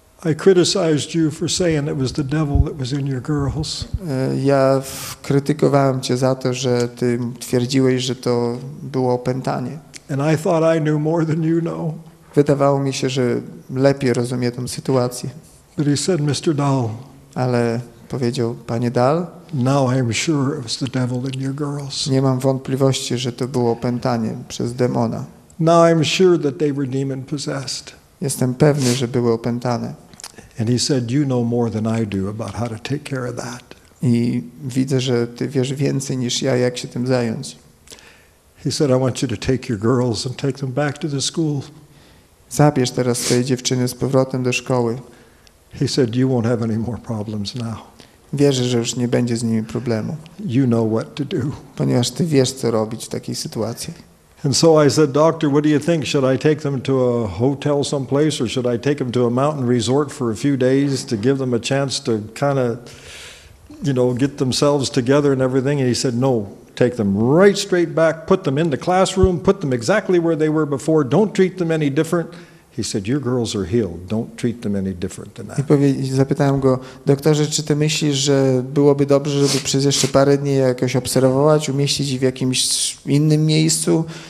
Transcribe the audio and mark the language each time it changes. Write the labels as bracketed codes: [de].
[en] I criticized you for saying it was the devil that was in your girls. [pl] Ja krytykowałem cię za to, że ty twierdziłeś, że to było opętanie. [en] And I thought I knew more than you know. [pl] Wydawało mi się, że lepiej rozumie tę sytuację. [en] But he said, Mr. Dahl, [pl] ale powiedział, panie Dahl, [en] now I am sure it was the devil in your girls. [pl] Nie mam wątpliwości, że to było opętanie przez demona. [en] Now I'm sure that they were demon possessed. [pl] Jestem pewny, że były opętane. [en] And he said, you know more than I do about how to take care of that. [pl] I widzę, że ty wiesz więcej niż ja, jak się tym zająć. [en] He said, I want you to take your girls and take them back to the school. [pl] Zabierz teraz swoje dziewczyny z powrotem do szkoły. [en] He said, you won't have any more problems now. [pl] Wierzę, że już nie będzie z nimi problemu. [en] You know what to do. [pl] Ponieważ ty wiesz, co robić w takiej sytuacji. [en] And so I said, doctor, what do you think? Should I take them to a hotel someplace or should I take them to a mountain resort for a few days to give them a chance to kind of, you know, get themselves together and everything? And he said, no, take them right straight back, put them in the classroom, put them exactly where they were before, don't treat them any different. He said, your girls are healed. Don't treat them any different than that. [pl] Zapytałem go, doktorze, czy ty myślisz, że byłoby dobrze, żeby przez jeszcze parę dni jakoś obserwować, umieścić w jakimś innym miejscu?